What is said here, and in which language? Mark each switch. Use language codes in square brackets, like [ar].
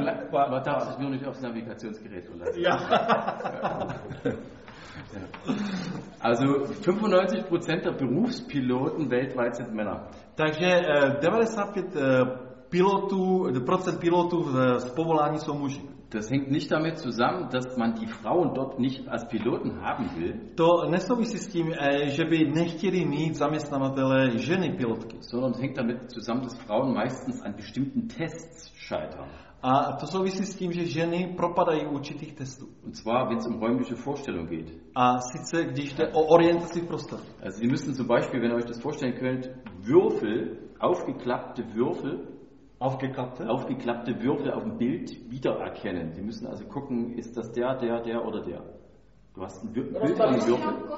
[de] Man darf sich nur nicht aufs Navigationsgerät verlassen. Ja. Also 95% der Berufspiloten weltweit sind Männer. [cs] Takže 95% pilotů z povolání jsou muži. [de] Das hängt nicht damit zusammen, dass man die Frauen dort nicht als Piloten haben will. [cs] To nesouvisí s tím, že by nechtěli mít zaměstnavatele ženy pilotky. [de] Sondern es hängt damit zusammen, dass Frauen meistens an bestimmten Tests scheitern. [cs] A to souvisí s tím, že ženy propadají určitých testů. [de] Und zwar, wenn es um räumliche Vorstellung geht. [cs] A sice, když jde o orientaci v prostoru. [de] Also wir müssen zum Beispiel, wenn ihr euch das vorstellen könnt, aufgeklappte Würfel auf dem Bild wiedererkennen. Sie müssen also gucken, ist das der, der, der oder der. Du hast ein Bild von einem Würfel.